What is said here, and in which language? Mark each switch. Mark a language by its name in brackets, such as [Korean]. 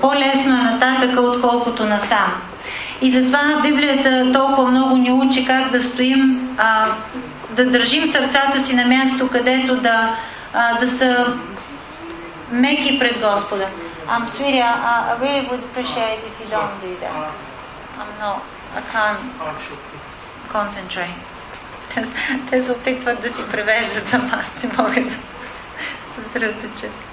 [Bulgarian] По-лесно е нататъка, отколкото насам. И затова Библията толкова много ни учи как да стоим, да държим сърцата си на място, където да са меки пред Господа. [English] I'm sorry, I really would appreciate if you don't do that. I can't concentrate. [Bulgarian] Те се опитват да си превеждат, ама аз не мога да се съсредоточат.